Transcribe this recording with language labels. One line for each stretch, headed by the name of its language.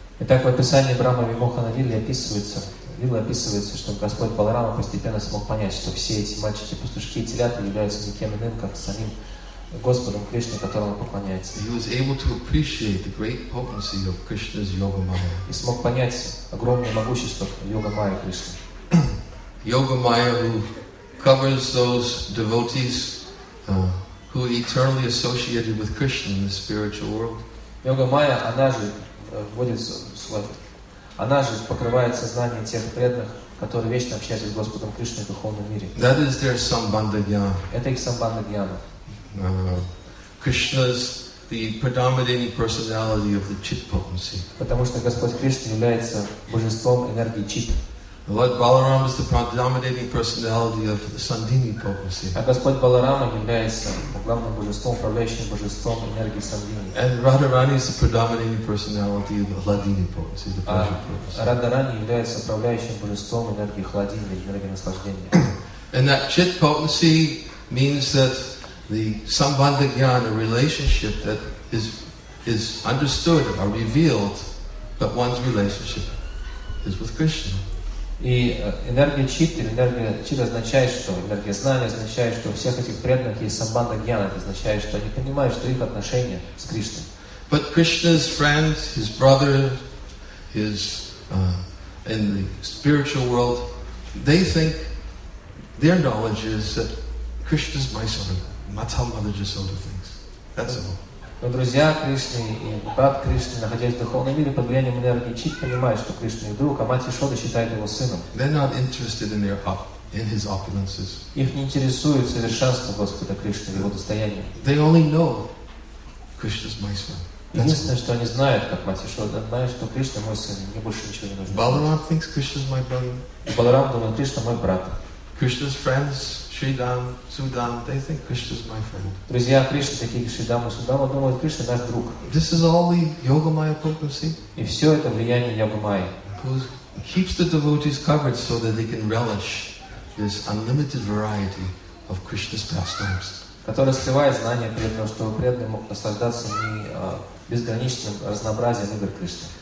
Russian: Итак, в описании Брахма Вимоханалилы описывается Вилла описывается, что Господь Баларама постепенно смог понять, что все эти мальчики, пастушки и телята являются никем иным, как самим Господом Кришной, которому поклоняется. И смог понять огромное могущество Йога Майя Кришны.
English: Йога Майя, who covers those devotees who eternally associated with Krishna in the spiritual world.
Russian: Йога Майя, она же вводит свой, она же покрывает сознание тех преданных, которые вечно общаются с Господом Кришной в духовном мире.
English: That is their sambandha jnana.
Russian: Это их самбанда гьяна.
English: Krishna's the predominating personality of the chit potency.
Russian: Потому что Господь Кришна является божеством энергии чит.
English: Lord Balaram is the predominating personality of the Sandini potency.
Russian: А Господь Баларама является главным божеством, управляющим божеством энергии Сандини.
English: And Radharani is the predominating personality of the Ladini potency, the pleasure potency.
Russian: А Радхарани является управляющим божеством энергии Хладини, энергии наслаждения.
English: And that chit potency means that the sambandha jnana, a relationship that is understood or revealed, but one's relationship is with Krishna. И энергия чит, или энергия чит означает, что энергия знания означает, что у всех этих преданных есть самбанда гьяна, это означает, что они понимают, что их отношения с Кришной. But Krishna's friends, his brother, his in the spiritual world, they think their knowledge is that Krishna's my son, Matal mother just sort of things. That's all.
Russian: Но друзья Кришны и брат Кришны, находясь в духовном мире, под влиянием энергии чит, понимают, что Кришна их друг, а мать Ишода считает его сыном.
English: They're not interested in his opulences.
Russian: Их не интересует совершенство Господа Кришны, его достояние.
English: They only know Krishna's my son.
Russian: Единственное, что они знают, как мать Ишода, знают, что Кришна мой сын, мне больше ничего не нужно.
English: Баларам thinks Krishna's my brother.
Russian: Баларам думает, Кришна мой брат.
English: Krishna's friends, Shridam, Sudam, they think Krishna's my friend.
Russian: Друзья Кришны, такие Шридам и Судам, думают, Кришна наш друг.
English: This is all the Yoga Maya potency.
Russian: И все это влияние Йога Майи.
English: Who keeps the devotees covered so that they can relish this unlimited variety of Krishna's pastimes.
Russian: Которая скрывает знание преданного, что преданный мог наслаждаться не безграничным разнообразием игр Кришны.